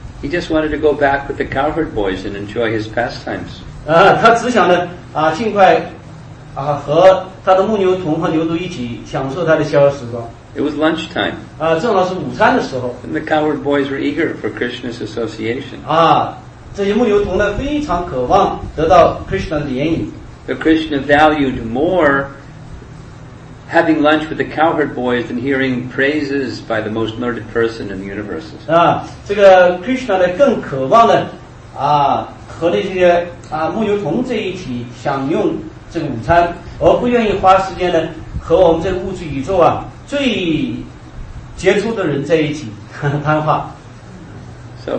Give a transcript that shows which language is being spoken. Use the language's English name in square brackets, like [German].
[English] He just wanted to go back with the cowherd boys and enjoy his pastimes. [Chinese] 他只想呢，尽快和他的牧牛童和牛犊一起享受他的逍遥时光。 [English] It was lunchtime. [Chinese] 正好是午餐的时候。 [English] And the cowherd boys were eager for Krishna's association. [Chinese] 这些牧牛童呢，非常渴望得到 Krishna 的怜悯。 [English] But Krishna valued more having lunch with the cowherd boys and hearing praises by the most learned person in the universe. [Chinese] 아, 这个 Krishna呢更渴望呢，啊，和那些啊牧牛同在一起享用这个午餐，而不愿意花时间呢和我们这物质宇宙啊最杰出的人在一起谈话。 [English] So